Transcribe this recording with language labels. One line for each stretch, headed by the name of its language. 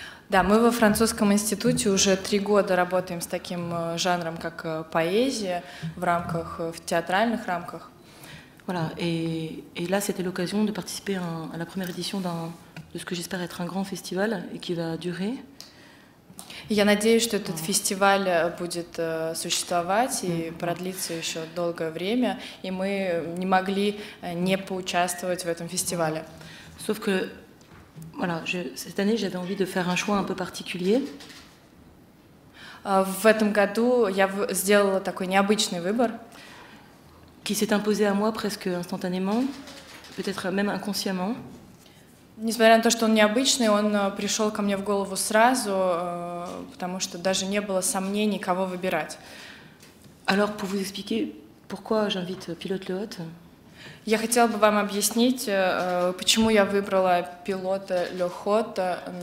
Russian: Да, мы во Французском институте уже 3 года работаем с таким жанром, как поэзия, в театральных рамках.
French: Voilà, et là, c'était l'occasion de participer à la première édition d'un de ce que j'espère être un grand festival et qui va durer.
Russian: Я надеюсь, что этот фестиваль будет существовать и продлиться еще долгое время, и мы не могли не поучаствовать в этом фестивале.
French: Sauf que voilà, cette année j'avais envie de faire un choix un peu particulier.
Russian: В этом году я сделала такой необычный выбор,
French: qui s'est imposé à moi presque instantanément, peut-être même inconsciemment.
Russian: Несмотря на то, что он необычный, он пришел ко мне в голову сразу, потому что даже не было сомнений, кого выбирать.
French: Alors, pour vous expliquer pourquoi j'invite Pilote Le Hôte?
Russian: Я хотела бы вам объяснить, почему я выбрала Пилота Le Hôte